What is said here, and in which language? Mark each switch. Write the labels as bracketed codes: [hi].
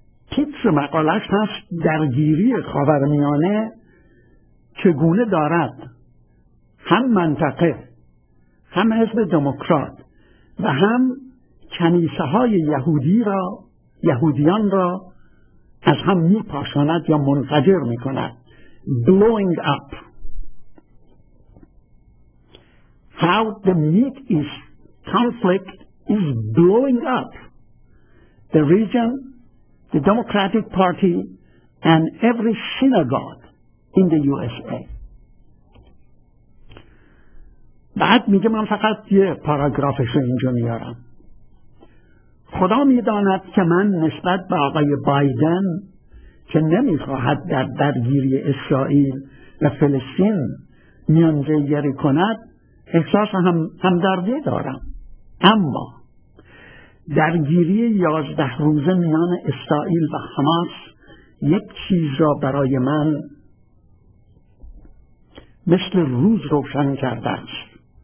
[fa] تیتر مقالش هست درگیری خاورمیانه چگونه دارد هم منطقه، هم حزب دموکرات و هم کنیسه های یهودیان را از هم می پاشاند یا منفجر می کند. [en] Blowing up. How the meat is conflict is blowing up. The region, the Democratic Party and every synagogue in the USA. [fa] بعد میگه من فقط یه پاراگرافش رو اینجا میارم. خدا میداند که من نسبت به آقای بایدن که نمیخواهد در درگیری اسرائیل و فلسطین میانجیگری کند احساس همدردی دارم، اما درگیری 11 روزه میان اسرائیل و حماس یک چیز را برای من مثل روز روشن کرده است.